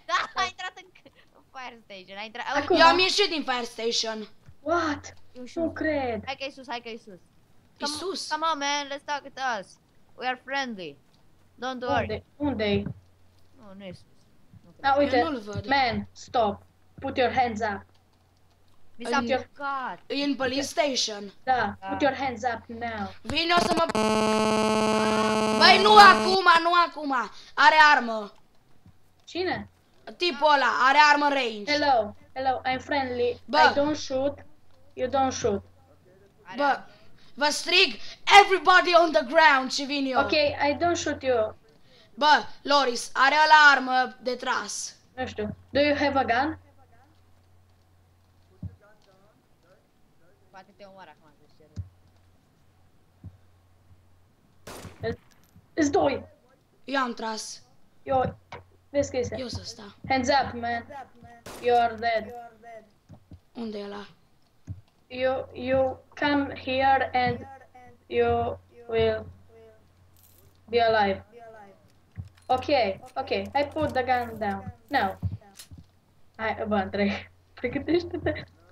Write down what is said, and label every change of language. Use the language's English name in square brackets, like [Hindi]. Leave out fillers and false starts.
[Romanian] Da, a intrat în Fire Station. Acum. Eu am ieșit din Fire Station. What? Nu cred. Hai că e sus. Isus? [English] Come on, man, let's talk with us. We are friendly. Don't worry. [Romanian] Unde-i? Nu e sus. Da, uite, [English] man, stop. Put your hands up. [Romanian] Mi s-a plecat. E în police station. [English] Da, put your hands up now. [Romanian] Vine o să mă... Băi, nu acum. Are armă. Cine? Tipul ăla, are armă range. [English] Hello, I'm friendly. [Romanian] Bă. [English] I don't shoot, you don't shoot. [Romanian] Bă, vă strig, [English] everybody on the ground [Romanian] și vin eu. [English] Ok, I don't shoot you. [Romanian] Bă, Loris, are ăla armă de tras. Nu știu. [English] Do you have a gun? [Romanian] Poate te omoară acum, zice. Îs doi. Eu am tras. Eu. Vezi că este. Eu să stau. [English] Hands up, man. You are dead. [Romanian] Unde e ăla? [English] You come here and you will be alive. Okay, I put the gun down. Now. [Romanian] Hai, bă, Andrei, pregătește-te.